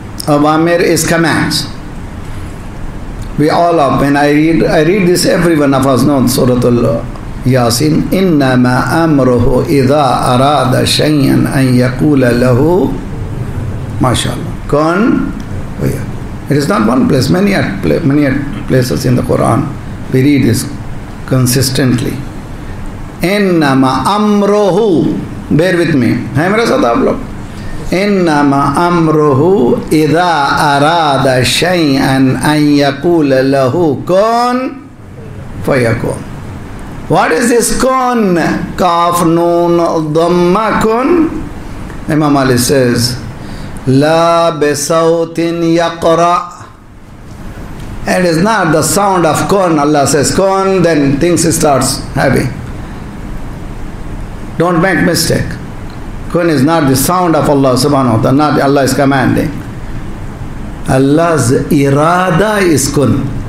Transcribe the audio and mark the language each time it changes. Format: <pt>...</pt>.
<en>Awamir is commands. We all up, when I read this, every one of us knows Surah Al-Yasin,</en> <ar>إِنَّمَا أَمْرُهُ إِذَا أَرَادَ شَيْئًا أَنْ يَقُولَ لَهُ</ar> <en>MashaAllah. Kun? Oh yeah. It is not one place, many places in the Quran. We read this consistently.</en> <ar>إِنَّمَا أَمْرُهُ,</ar> <en>bear with me.</en> <ur>Hai mere sath aap log.</ur> <ar>إِنَّمَا أَمْرُهُ إِذَا أَرَادَ شَيْئًا أَنْ يَقُولَ لَهُ كُنْ فَيَكُنْ.</ar> <en>What is this كُنْ?</en> <ar>كَافْ نُونْ ضَمَّ كُنْ.</ar> <en>Imam Ali says,</en> <ar>لَا بِصَوْتٍ يَقْرَأ.</ar> <en>It is not the sound of كُنْ. Allah says كُنْ, then things starts heavy. Don't make mistake. Kun is not the sound of Allah subhanahu wa ta'ala, not Allah is commanding. Allah's irada is kun.</en>